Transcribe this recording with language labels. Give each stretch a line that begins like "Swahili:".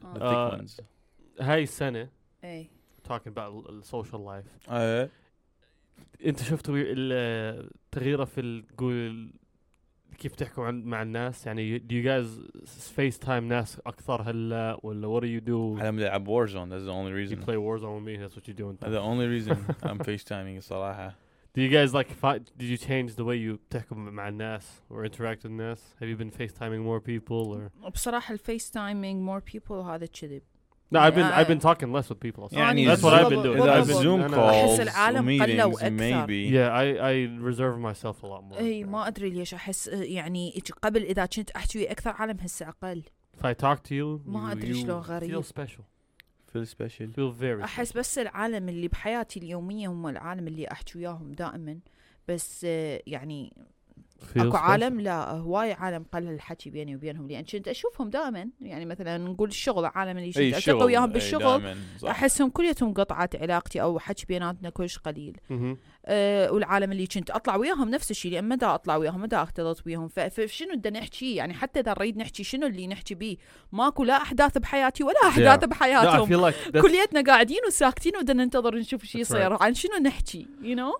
English: oh. the thick ones
Arabic: هاي السنة اي
English: talking about social life
Arabic: اي انت شفت التغييرة في قول كيف تحكوا مع الناس يعني
English: do you guys FaceTime
Arabic: ناس أكثر هلا ولا
English: what do you do I'm gonna play Warzone that's the only reason you play Warzone with me that's what you're doing the only reason I'm FaceTiming
Arabic: صراحة
English: Do you guys like? Did you change the way you talk
Arabic: مع الناس
English: or interact with الناس? Have you been FaceTiming more people or?
Arabic: بصراحة
English: FaceTiming more people
Arabic: هذا كذب.
English: No, I've been talking less with people. يعني that's what I've been doing. إذا Zoom calls, meetings, maybe. Yeah, I reserve myself a lot more.
Arabic: إيه ما أدري ليش أحس يعني قبل إذا كنت أحكي أكثر عالم هسه أقل.
English: If I talk to you, you feel special. Feel special. Feel very.
Arabic: أحس بس العالم اللي بحياتي اليومية هم العالم اللي أحكي وياهم دائما بس يعني اكو عالم لا هواي عالم قل هالحكي بيني وبينهم لان كنت اشوفهم دائما يعني مثلا نقول الشغل عالم اللي كنت اتلقى وياهم بالشغل احسهم كليتهم قطعت علاقتي او حكي بيناتنا كلش قليل والعالم اللي كنت اطلع وياهم نفس الشيء لان ما دا اطلع وياهم ما دا اختلط وياهم فشنو بدنا نحكي يعني حتى اذا نريد نحكي شنو اللي نحكي بيه ماكو لا احداث بحياتي ولا احداث بحياتهم كليتنا قاعدين وساكتين ودنا ننتظر نشوف شيء يصير عن شنو نحكي
English: you know